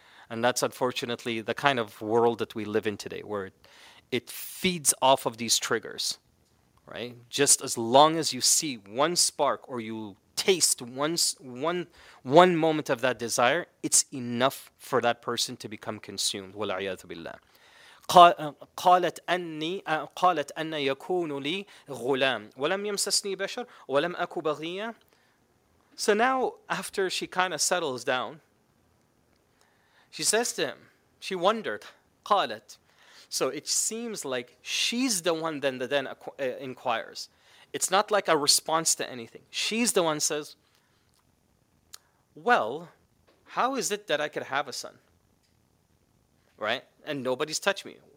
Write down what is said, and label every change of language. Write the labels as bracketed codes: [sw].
[en] And that's unfortunately the kind of world that we live in today, where it feeds off of these triggers, right? Just as long as you see one spark or you taste one moment of that desire, it's enough for that person to become consumed. [ar] وَالْعِيَاذُ بِاللَّهِ قالت أن يكون لي غلام ولم يمسسني بشر ولم أكو بغية. [en] So now, after she kind of settles down, she says to him, she wondered, قالت. So it seems like she's the one then inquires. It's not like a response to anything. She's the one says, well, how is it that I could have a son? Right? And nobody's touched me.